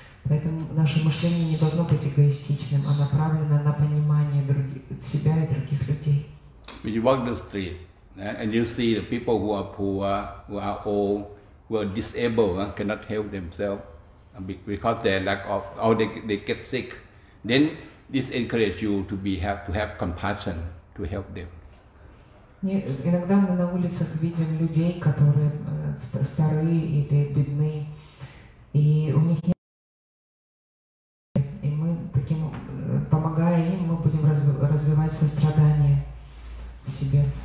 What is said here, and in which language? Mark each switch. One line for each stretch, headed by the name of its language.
Russian: Поэтому наше мышление не должно быть эгоистичным, а направлено на понимание себя и других людей.
English: When you walk the street, and you see the people who are poor, who are old, who are disabled, cannot help themselves because they lack of, or they get sick, then this encourages you to have compassion to help them.
Russian: Иногда мы на улицах видим людей, которые старые или бедны, и у них нет, и мы таким, помогая им, мы будем развивать сострадание в себе.